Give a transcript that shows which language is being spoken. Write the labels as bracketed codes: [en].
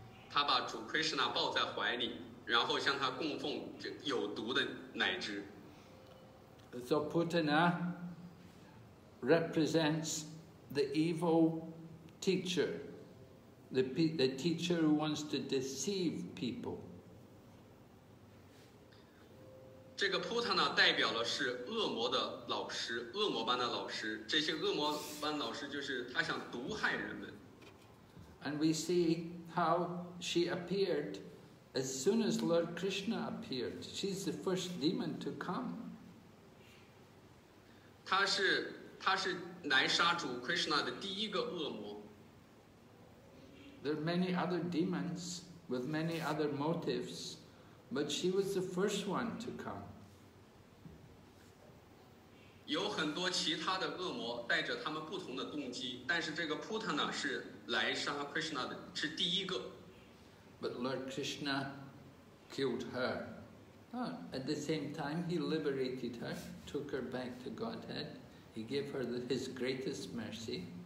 [zh] 她把主 Krishna 抱在怀里，然后向他供奉有毒的奶汁。 [en] So Putana represents the evil teacher, the teacher who wants to deceive people. [zh] 这个 Putana 代表了是恶魔的老师，恶魔般的老师。这些恶魔般老师就是他想毒害人们。 [en] And we see how she appeared as soon as Lord Krishna appeared. She's the first demon to come. [zh] 她是来杀主 Krishna 的第一个恶魔。 [en] There are many other demons. with many other motives, but she was the first one to come. [zh] 有很多其他的恶魔带着他们不同的动机，但是这个 Putana 是来杀 Krishna 的，是第一个。 [en] But Lord Krishna killed her. At the same time, he liberated her, took her back to Godhead. He gave her his greatest mercy.